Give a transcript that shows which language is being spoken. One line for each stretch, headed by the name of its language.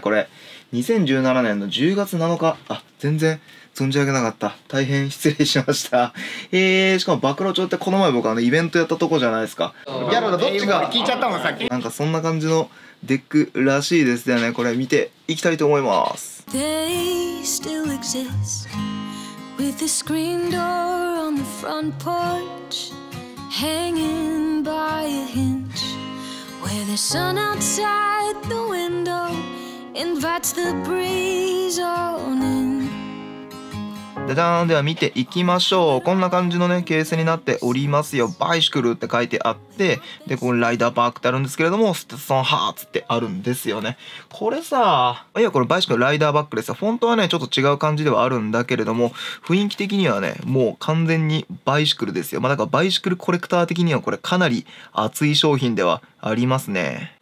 Japanese: これ2017年の10月7日。あ、全然存じ上げなかった。大変失礼しました。しかも、曝露町ってこの前僕イベントやったとこじゃないですか。ギャルがどっちが聞いちゃったもん、さっき。なんかそんな感じのデックらしいですよね。これ見ていきたいと思います。
English: They still exist with the screen door on the front porch hanging by a hinge where the sun outside the window. Invites the breeze on in.
Japanese: じゃじゃーん、では見ていきましょう。こんな感じのねケースになっておりますよ。バイシクルって書いてあって、でこのライダーパークってあるんですけれども、ステッソンハーツってあるんですよね。これさ、いやこれバイシクルライダーバックですよ。フォントはねちょっと違う感じではあるんだけれども、雰囲気的にはねもう完全にバイシクルですよ。まあだからバイシクルコレクター的にはこれかなり熱い商品ではありますね。